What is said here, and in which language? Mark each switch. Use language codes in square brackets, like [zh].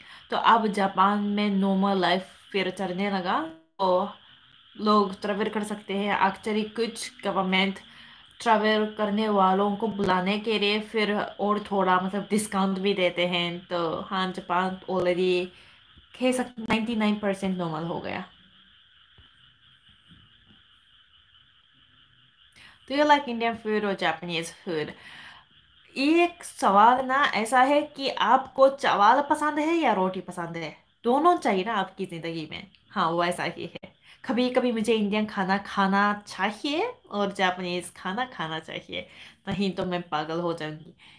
[hi] तो अब जापान में नॉर्मल लाइफ फिर चलने लगा, तो लोग ट्रैवल कर सकते हैं। एक्चुअली कुछ गवर्नमेंट ट्रैवल करने वालों को बुलाने के लिए फिर और थोड़ा मतलब डिस्काउंट भी देते हैं। तो हाँ, जापान ऑलरेडी कह सकते 99% नॉर्मल हो गया। [en] Do you like Indian food or Japanese food? [hi] एक सवाल ना ऐसा है कि आपको चावल पसंद है या रोटी पसंद है? दोनों चाहिए ना आपकी ज़िंदगी में। हाँ, वो ऐसा ही है। कभी कभी मुझे इंडियन खाना खाना चाहिए और जापानीज खाना खाना चाहिए, नहीं तो मैं पागल हो जाऊंगी।